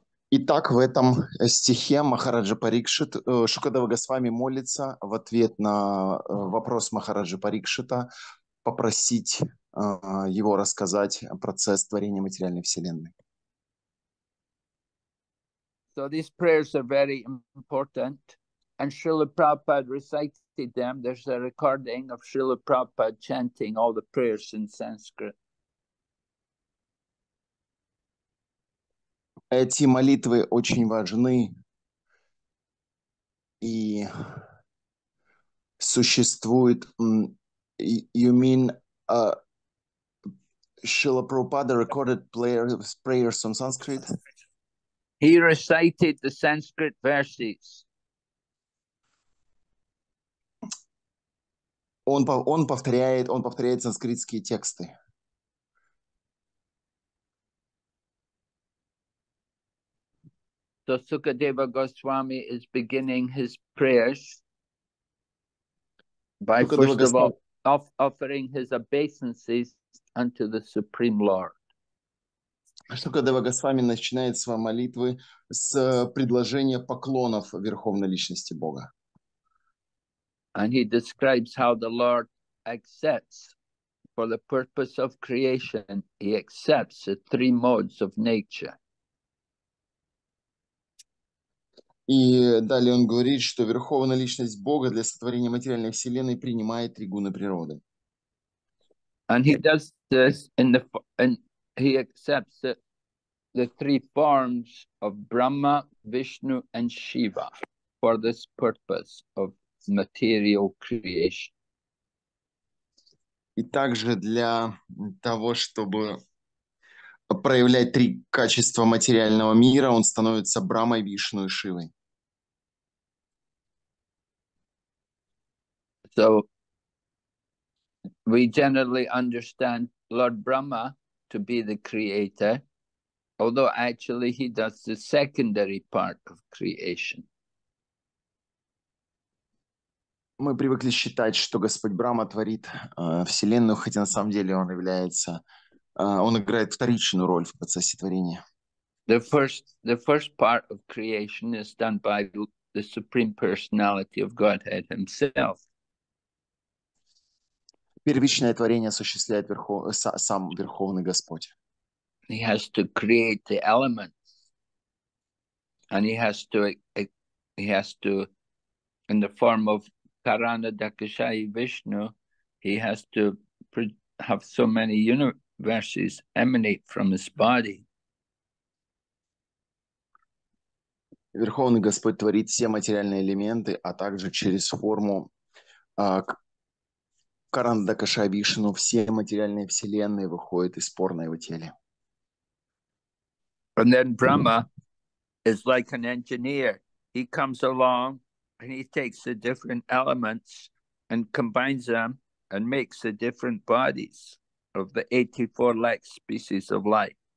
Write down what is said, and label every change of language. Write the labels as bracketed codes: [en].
[ru] Итак, в этом стихе Махараджа Парикшит, Шукадева Госвами молится в ответ на вопрос Махараджа Парикшита попросить его рассказать процесс творения материальной вселенной. [en] So these prayers are very important, and Srila Prabhupada recited them. There's a recording of Srila Prabhupada chanting all the prayers in Sanskrit. [ru] Эти молитвы очень важны и существуют. [en] You mean, Srila Prabhupada recorded prayers on Sanskrit? He recited the Sanskrit verses. [ru] Он повторяет санскритские тексты. [en] So Sukadeva Goswami is beginning his prayers by first of all offering his obeisances unto the Supreme Lord. [ru] Sukadeva Goswami начинает свои молитвы с предложения поклонов Верховной Личности Бога. [en] And he describes how the Lord accepts for the purpose of creation, he accepts the three modes of nature. [ru] И далее он говорит, что Верховная Личность Бога для сотворения материальной вселенной принимает три гуны природы. [en] And he does this in the, and he accepts the three forms of Brahma, Vishnu and Shiva for this purpose of material creation. [ru] И также для того, чтобы проявлять три качества материального мира, он становится Брамой, Вишну и Шивой. [en] So we generally understand Lord Brahma to be the creator, although actually he does the secondary part of creation. [ru] Мы привыкли считать, что Господь Брахма творит Вселенную, хотя на самом деле он является, он играет вторичную роль в процессе творения. [en] The first part of creation is done by the Supreme Personality of Godhead himself. [ru] Первичное творение осуществляет сам Верховный Господь. [en] He has to create the elements. And he has to, in the form of Karana Dakshayi Vishnu, he has to have so many universes emanate from his body. [ru] Верховный Господь творит все материальные элементы, а также через форму Каранда Каша Вишну, все материальные вселенные выходят из пор на его теле. [en] And then Brahma is like an engineer. He comes along and he takes the different elements and combines them and makes the different bodies of the 84 like species of life.